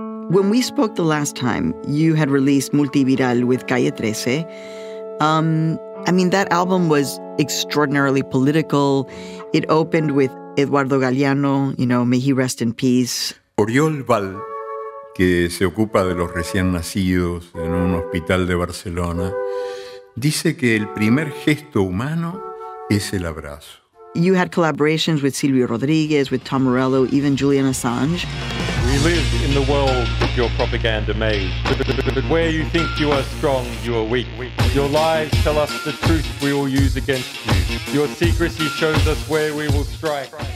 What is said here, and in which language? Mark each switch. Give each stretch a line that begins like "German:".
English: When we spoke the last time, you had released Multiviral with Calle 13. I mean, that album was extraordinarily political. It opened with Eduardo Galeano, you know, may he rest in peace.
Spanish: Oriol Val, que se ocupa de los recién nacidos en un hospital de Barcelona, dice que el primer gesto humano es el abrazo.
English: You had collaborations with Silvio Rodriguez, with Tom Morello, even Julian Assange. We live in the world your propaganda made. But where you think you are strong, you are weak. Your lies tell us the truth we will use against you. Your secrecy shows us where we will strike.